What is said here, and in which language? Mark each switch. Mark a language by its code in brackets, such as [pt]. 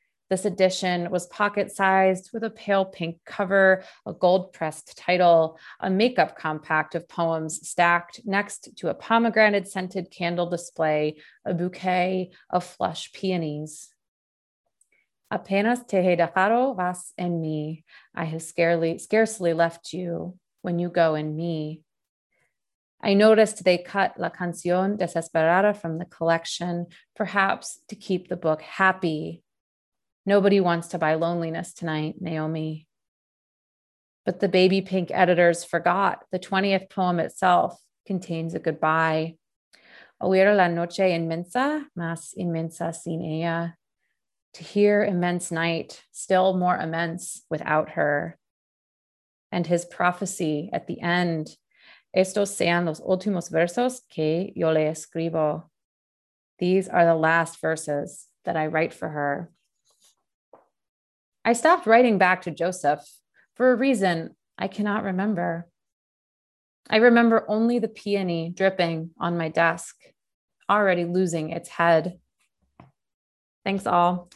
[en] This edition was pocket-sized with a pale pink cover, a gold-pressed title, a makeup compact of poems stacked next to a pomegranate-scented candle display, a bouquet of flush peonies. [es] Apenas te he dejado vas en mí. [en] I have scarcely left you when you go in me. I noticed they cut La Canción Desesperada from the collection, perhaps to keep the book happy. Nobody wants to buy loneliness tonight, Naomi. But the baby pink editors forgot the 20th poem itself contains a goodbye. [es] Oír la noche inmensa, más inmensa sin ella. [en] To hear immense night, still more immense without her. And his prophecy at the end. [es] Estos sean los últimos versos que yo le escribo. [en] These are the last verses that I write for her. I stopped writing back to Joseph for a reason I cannot remember. I remember only the peony dripping on my desk, already losing its head. Thanks all.